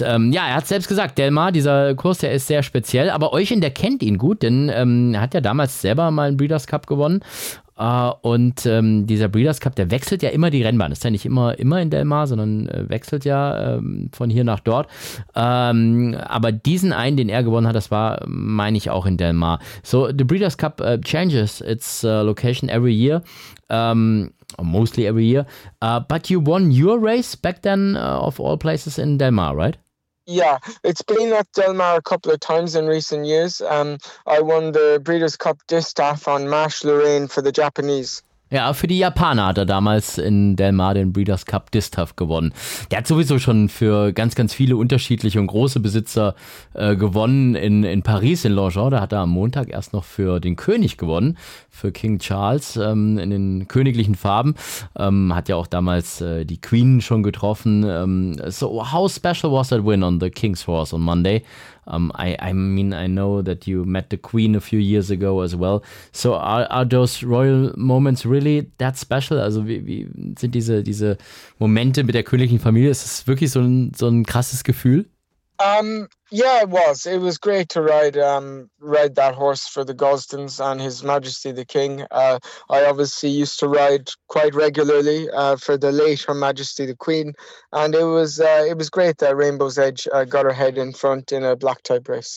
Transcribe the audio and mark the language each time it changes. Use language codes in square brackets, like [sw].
[de] Ja, er hat selbst gesagt, Delmar, dieser Kurs, der ist sehr speziell, aber Eugen, der kennt ihn gut, denn er hat ja damals selber mal einen Breeders' Cup gewonnen. Und dieser Breeders' Cup, der wechselt ja immer die Rennbahn. Ist ja nicht immer in Del Mar, sondern wechselt ja von hier nach dort. Aber diesen einen, den er gewonnen hat, das war, meine ich, auch in Del Mar. [en] So, the Breeders' Cup changes its location every year. Mostly every year. But you won your race back then of all places in Del Mar, right? Yeah, it's been at Del Mar a couple of times in recent years. I won the Breeders' Cup Distaff on Marsh Lorraine for the Japanese. [de] Ja, für die Japaner hat er damals in Del Mar den Breeders' Cup Distaff gewonnen. Der hat sowieso schon für ganz, ganz viele unterschiedliche und große Besitzer gewonnen in Paris, in Longchamp. Da hat er am Montag erst noch für den König gewonnen, für King Charles in den königlichen Farben. Hat ja auch damals die Queen schon getroffen. [en] So, how special was that win on the King's Horse on Monday? I mean, I know that you met the Queen a few years ago as well. So are those royal moments really that special? [de] Also wie sind diese Momente mit der königlichen Familie? Ist das wirklich so ein krasses Gefühl? [en] Yeah, it was. It was great to ride that horse for the Gosdens and His Majesty the King. I obviously used to ride quite regularly for the late Her Majesty the Queen, and it was great that Rainbow's Edge got her head in front in a black type race.